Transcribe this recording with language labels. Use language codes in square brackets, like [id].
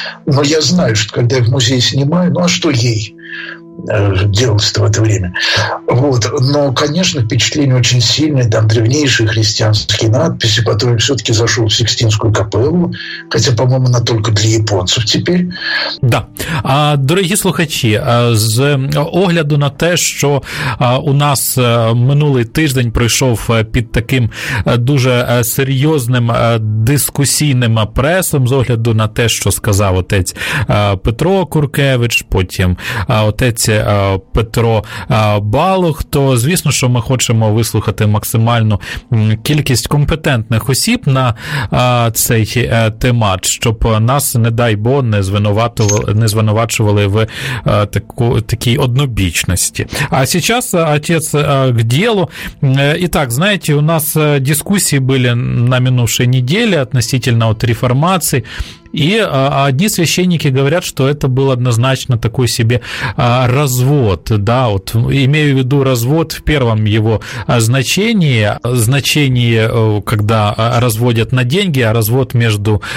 [ru] Но я знаю, что когда я в музее снимаю, ну а что ей делалось-то в это время? Вот, но, конечно, впечатление очень сильное, там древнейшие христианские надписи, потом я все-таки зашел в Сикстинскую капеллу, хотя, по-моему, она только для японцев теперь. Да. [uk] Дорогі слухачі, з огляду на те, що у нас минулий тиждень пройшов під таким дуже серйозним дискусійним пресом, з огляду на те, що сказав отець Петро Куркевич, потім отець Петро Балух, то звісно, що ми хочемо вислухати максимальну кількість компетентних осіб на цей темат, щоб нас, не дай Бог, не звинувачували в такій однобічності. [ru] А сейчас, отец, к делу. Итак, знаете, у нас дискуссии были на минувшей неделе относительно вот реформации. И одни священники говорят, что это был однозначно такой себе развод, да, вот имею в виду развод в первом его значении, значение, когда разводят на деньги, а развод между